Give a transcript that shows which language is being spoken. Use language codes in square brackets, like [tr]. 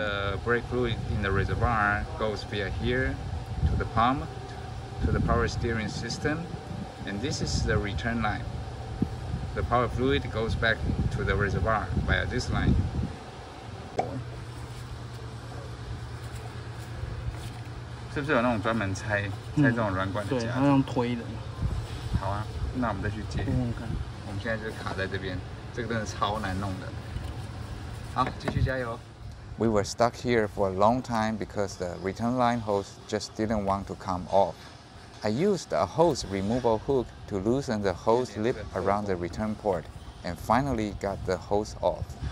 [en] The brake fluid in the reservoir goes via here to the pump, to the power steering system, and this is the return line. The power fluid goes back to the reservoir via this line. Is there a special one to pull this hard part? Yes, it's like pulling. Okay, then let's pull it. [zh] 我们现在就卡在这边，这个真的超难弄的。好，继续加油。 [en] We were stuck here for a long time because the return line hose just didn't want to come off. I used a hose removal hook to loosen the hose lip around the return port, and finally got the hose off.